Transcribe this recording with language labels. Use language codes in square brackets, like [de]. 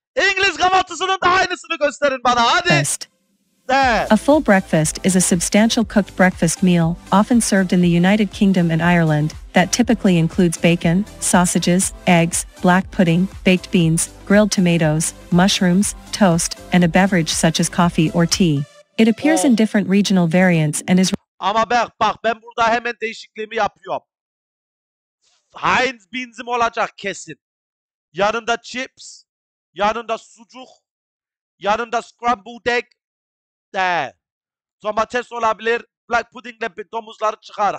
[tr] İngiliz kahvaltısının da aynısını gösterin bana. Hadi. [en] A full breakfast is a substantial cooked breakfast meal, often served in the United Kingdom and Ireland, that typically includes bacon, sausages, eggs, black pudding, baked beans, grilled tomatoes, mushrooms, toast, and a beverage such as coffee or tea. It appears in different regional variants and is... [tr] Ama bak, bak, ben burada hemen değişikliğimi yapıyorum. Heinz beans'im olacak kesin. Yanında chips, yanında sucuk, yanında scrambled egg. De. Domates olabilir. Black pudding'le domuzları çıkar.